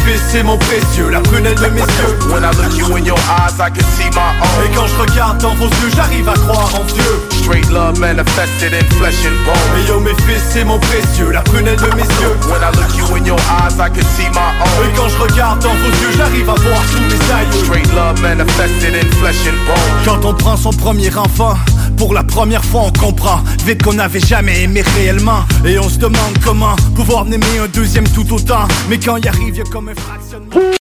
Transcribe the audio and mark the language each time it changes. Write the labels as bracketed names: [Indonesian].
[French] C'est mon précieux, la prunelle de mes yeux. [English] When I look you in your eyes, I can see my own. [French] Et quand je regarde dans vos yeux, j'arrive à croire en Dieu. [English] Straight love manifested in flesh and bone. [French] Et yo mes fils, c'est mon précieux, la prunelle de mes yeux. [English] When I look you in your eyes, I can see my own. [French] Et quand je regarde dans vos yeux, j'arrive à voir tous mes aïeux. [English] Straight love manifested in flesh and bone. [French] Quand on prend son premier enfant, pour la première fois on comprend vite qu'on n'avait jamais aimé réellement. Et on se demande comment pouvoir aimer un deuxième tout autant. Mais quand y arrive, y'a comme un fractionnement.